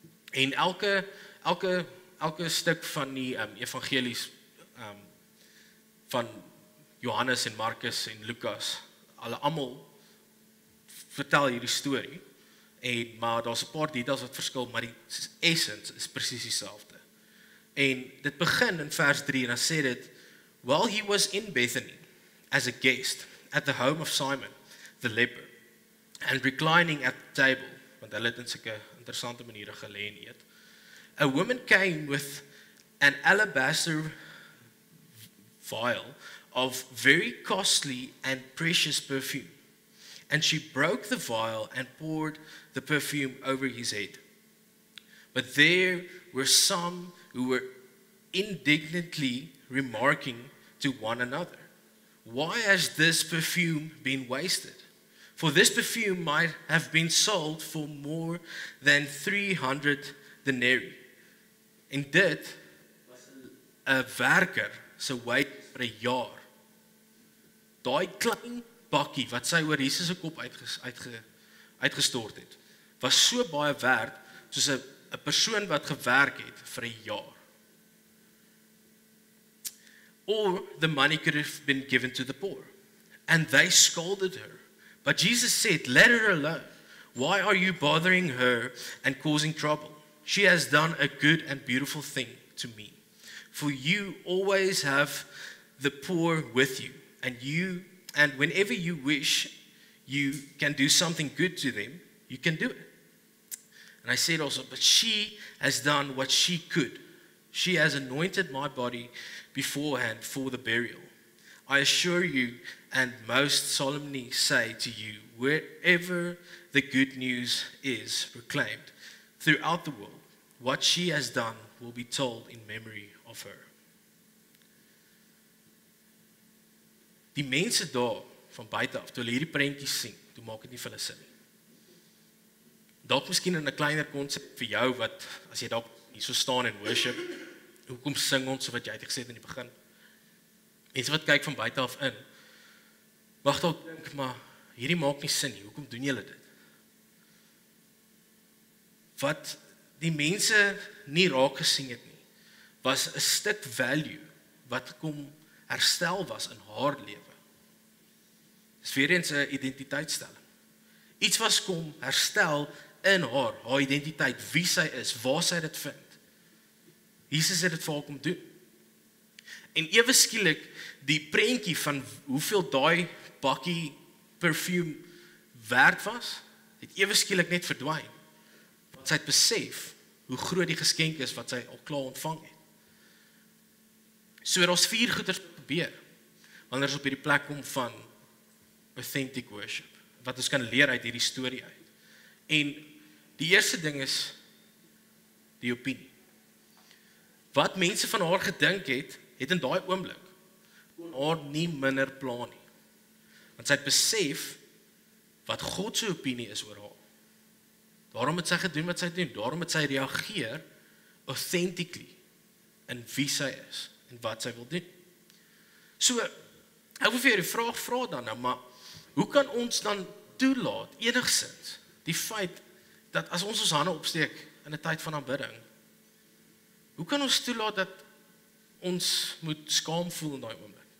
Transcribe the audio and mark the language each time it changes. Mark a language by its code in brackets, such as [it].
[af] En elke stuk van die evangelies van Johannes en Markus en Lukas, hulle almal vertel hierdie storie. En maar daar's 'n paar details wat verskil, maar die essence is presies dieselfde. En dit begin in vers 3 en dan sê dit: [en] "While he was in Bethany as a guest at the home of Simon the leper and reclining at the table," [af] want hulle het in sulke interessante maniere gelê en eet, [en] "a woman came with an alabaster vial of very costly and precious perfume. And she broke the vial and poured the perfume over his head. But there were some who were indignantly remarking to one another, "Why has this perfume been wasted? For this perfume might have been sold for more than 300 denarii." [af] En dit was 'n werker se wage vir 'n jaar. Daai klein bakkie wat sy oor Jesus se kop uitgestort het, was so baie werd soos 'n persoon wat gewerk het vir 'n jaar. [en] Or the money could have been given to the poor. And they scolded her. But Jesus said, "Let her alone. Why are you bothering her and causing trouble? She has done a good and beautiful thing to me. For you always have the poor with you, and whenever you wish you can do something good to them, you can do it." And I said also, "But she has done what she could. She has anointed my body beforehand for the burial. I assure you and most solemnly say to you, wherever the good news is proclaimed throughout the world, what she has done will be told in memory of her." [af] Die mense daar van buite af, toe hulle hierdie prentjies sien, toe maak dit nie vir hulle sin. Dalk miskien in 'n kleiner konsep vir jou, wat as jy dalk hier so staan in worship, hoekom sing ons so wat jy het gesê in die begin? Mense wat kyk van buite af in, mag dalk dink, maar hierdie maak nie sin nie, hoekom doen julle dit? Wat die mense nie raak gesien het nie, was 'n stuk value wat kom herstel was in haar lewe. Dis weer eens 'n identiteitsstelling. Iets was kom herstel in haar identiteit, wie sy is, waar sy dit vind. Jesus het dit vir haar kom doen. En ewe skielik die prentjie van hoeveel daai bakkie perfume werd was, het ewe skielik net verdwyn. Want sy het besef hoe groot die geskenk is wat sy al klaar ontvang het. So daar's vier goeie probeer wanneer ons op hierdie plek kom van authentic worship, wat ons kan leer uit hierdie storie uit. En die eerste ding is die opinie. Wat mense van haar gedink het, het in daai oomblik haar nie minder pla nie. Want sy het besef wat God se opinie is oor haar. Daarom het sy gedoen wat sy doen, daarom het sy reageer authentically in wie sy is en wat sy wil doen. So, ek wil vir jou die vraag vra dan nou, maar hoe kan ons dan toelaat enigszins die feit dat as ons ons hande opsteek in 'n tyd van aanbidding, hoe kan ons toelaat dat ons moet skaam voel in daai oomblik?